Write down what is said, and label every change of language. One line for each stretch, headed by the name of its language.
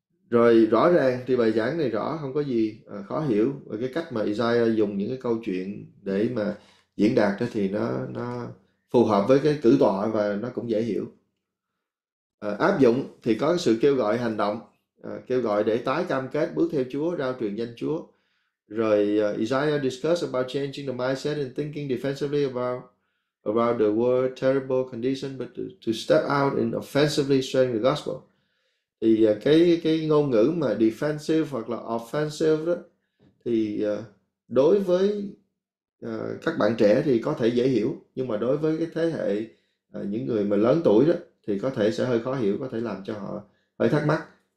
Vietnamese: Rồi rõ ràng thì bài giảng này rõ, không có gì khó hiểu. Và cái cách mà Isaiah dùng những cái câu chuyện để mà diễn đạt đó thì nó phù hợp với cái cử tọa và nó cũng dễ hiểu. Áp dụng thì có sự kêu gọi hành động, kêu gọi để tái cam kết bước theo Chúa, rao truyền danh Chúa.
English: Rồi Isaiah discuss about changing the mindset and thinking defensively about the world's terrible condition, but to step out and offensively sharing the gospel.
Vietnamese: Thì cái ngôn ngữ mà defensive hoặc là offensive đó, thì đối với các bạn trẻ thì có thể dễ hiểu, nhưng mà đối với cái thế hệ những người mà lớn tuổi đó thì có thể sẽ hơi khó hiểu, có thể làm cho họ hơi thắc mắc.